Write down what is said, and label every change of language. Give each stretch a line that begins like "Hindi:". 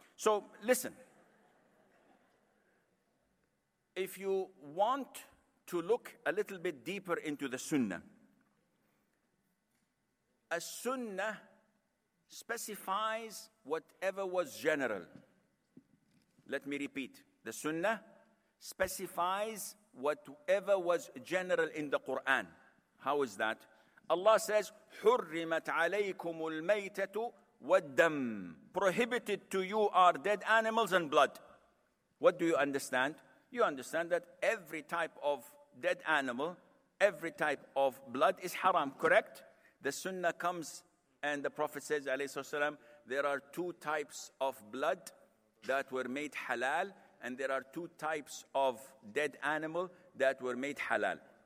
English: So listen, if you want to look a little bit deeper into the Sunnah, a Sunnah specifies whatever was general. Let me repeat. The Sunnah specifies whatever was general in the Quran. How is that? Allah says,
Arabic: حُرِّمَتْ عَلَيْكُمُ الْمَيْتَةُ وَالدَّمْ.
English: Prohibited to you are dead animals and blood. What do you understand? You understand that every type of dead animal, every type of blood is haram, correct? The Sunnah comes and the Prophet says, alayhi salam, there are two types of blood that were made halal, and there are two types of dead animal that were made halal.